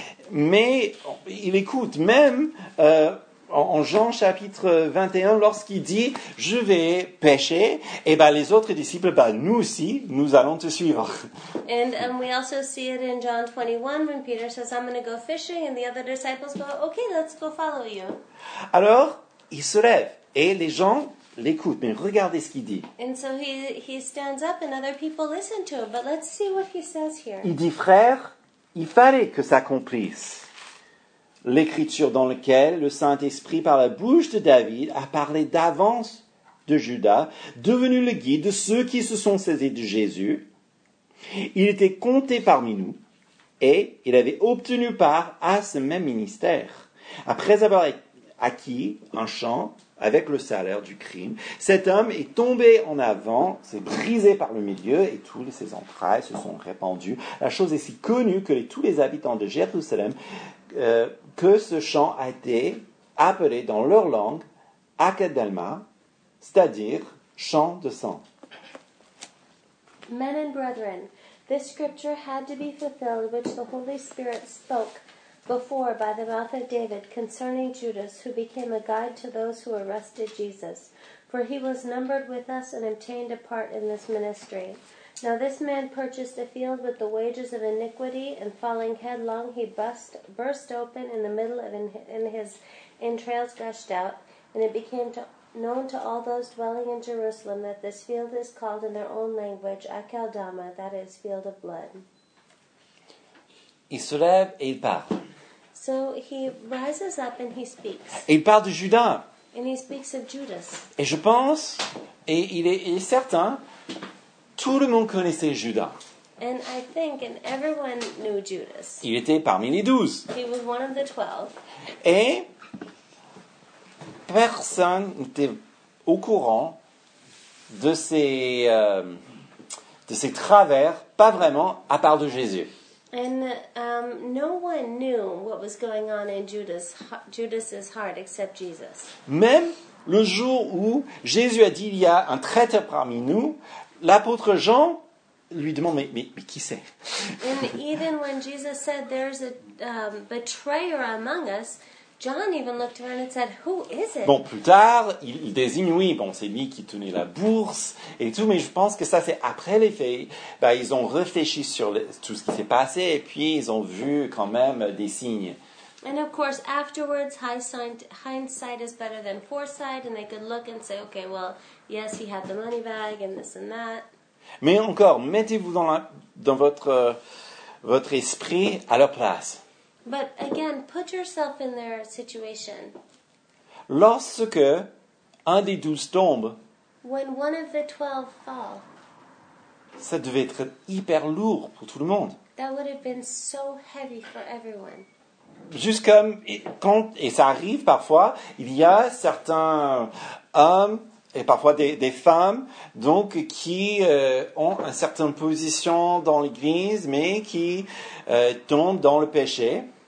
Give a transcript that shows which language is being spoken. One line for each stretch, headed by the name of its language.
French: Mais il écoute même en Jean chapitre 21, lorsqu'il dit « Je vais pêcher », et bien les autres disciples, ben, nous aussi, nous allons te suivre.
English: And we also see it in John 21, when Peter says « I'm going to go fishing », and the other disciples go « Okay, let's go follow you ».
French: Alors, il se lève, et les gens l'écoutent, mais regardez ce qu'il dit.
English: And so he stands up, and other people listen to him, but let's see what he says here.
French: Il dit « Frère, il fallait que ça s'accomplisse ». L'écriture dans laquelle le Saint-Esprit, par la bouche de David, a parlé d'avance de Judas, devenu le guide de ceux qui se sont saisis de Jésus. Il était compté parmi nous et il avait obtenu part à ce même ministère. Après avoir acquis un champ avec le salaire du crime, cet homme est tombé en avant, s'est brisé par le milieu et toutes ses entrailles se sont répandues. La chose est si connue que tous les habitants de Jérusalem que ce chant a été appelé dans leur langue Akedelma, c'est-à-dire chant de sang.
English: Men and brethren, this scripture had to be fulfilled which the Holy Spirit spoke before by the mouth of David concerning Judas, who became a guide to those who arrested Jesus. For he was numbered with us and obtained a part in this ministry. Now this man purchased a field with the wages of iniquity, and falling headlong, he burst open in the middle, and his entrails gushed out. And it became known to all those dwelling in Jerusalem that this field is called in their own language Akeldama, that is, field of blood.
French: Il se lève et il part.
English: So he rises up and he speaks.
French: Et il parle de Judas.
English: And he speaks of Judas.
French: Et je pense, et il est certain, tout le monde connaissait Judas.
English: And I think, and everyone knew Judas.
French: Il était parmi les 12.
English: He was one of the 12.
French: Et personne n'était au courant de ses travers, pas vraiment, à part de Jésus.
English: And no one knew what was going on in Judas's heart except Jesus.
French: Même le jour où Jésus a dit il y a un traître parmi nous, l'apôtre Jean lui demande mais qui c'est?
English: And even when Jesus said there's a betrayer among us, John even looked around and said, who is it?
French: Bon, plus tard, il désigne, oui, bon, c'est lui qui tenait la bourse et tout, mais je pense que ça, c'est après les faits. Ben, ils ont réfléchi sur tout ce qui s'est passé et puis ils ont vu quand même des signes.
English: And of course, afterwards, hindsight is better than foresight, and they could look and say, okay, well, yes, he had the money bag and this and that.
French: Mais encore, mettez-vous dans votre esprit à leur place.
English: But again, put yourself in their situation.
French: Lorsque un des douze tombe,
English: when one of the 12 fall,
French: ça devait être hyper lourd pour tout le monde.
English: That would have been so heavy for everyone.
French: Jusqu'à quand, et ça arrive parfois, il y a certains hommes et parfois des femmes donc qui ont une certaine position dans l'église mais qui tombent dans le péché.